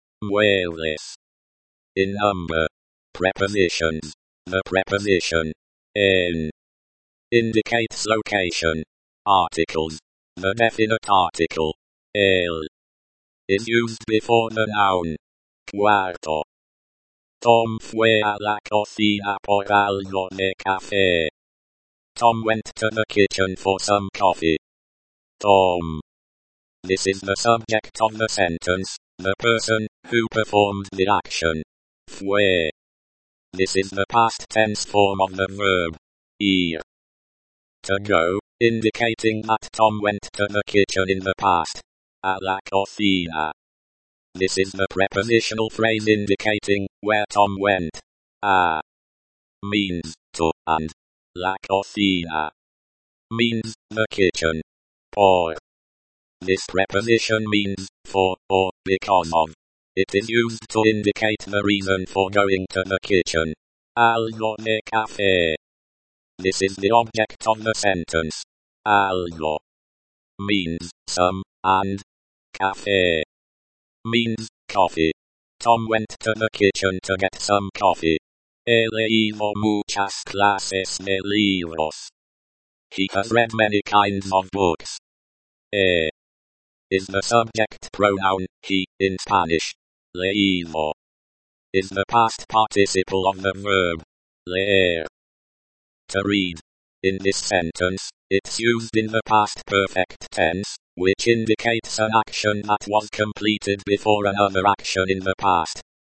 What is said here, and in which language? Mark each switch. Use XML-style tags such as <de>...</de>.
<en>Muebles. In number. Prepositions. The preposition. En. Indicates location. Articles. The definite article, el, is used before the noun. Cuarto.</en> <es>Tom fue a la cocina por algo de café.</es> <en>Tom went to the kitchen for some coffee. Tom. This is the subject of the sentence, the person who performed the action. Fue. This is the past tense form of the verb, ir. To go, indicating that Tom went to the kitchen in the past.</en> <es>A la cocina.</es> <en>This is the prepositional phrase indicating where Tom went. A means to, and</en> <es>la cocina</es> <en>means the kitchen. Por. This preposition means for or because of. It is used to indicate the reason for going to the kitchen.</en> <es>Algo de café.</es> <en>This is the object of the sentence. Algo means some, and café means coffee. Tom went to the kitchen to get some coffee.</en> <es>He leído muchas clases de libros.</es> <en>He has read many kinds of books. He is the subject pronoun, he, in Spanish. Leído is the past participle of the verb. Leer. To read. In this sentence, it's used in the past perfect tense, which indicates an action that was completed before another action in the past.</en>